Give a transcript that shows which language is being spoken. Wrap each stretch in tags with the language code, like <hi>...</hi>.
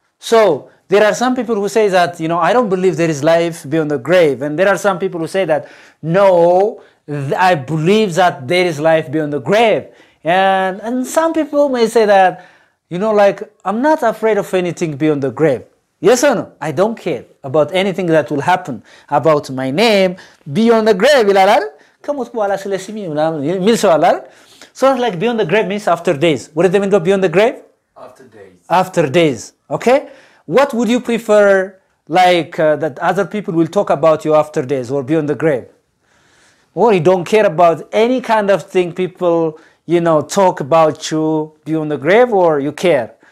<en>So there are some people who say that, you know, I don't believe there is life beyond the grave, and there are some people who say that no, I believe that there is life beyond the grave, and some people may say that, you know, like I'm not afraid of anything beyond the grave. Yes or no? I don't care about anything that will happen about my name beyond the grave.</en> <am>ይላል ከሞት በኋላ ስለስሚ ምናምን የሚል ሰው አለ።</am> <en>So it's like beyond the grave means after days. What does that mean to beyond the grave? After days. Okay? What would you prefer like that other people will talk about you after days or beyond the grave? Or you don't care about any kind of thing people, you know, talk about you beyond the grave, or you care?</en>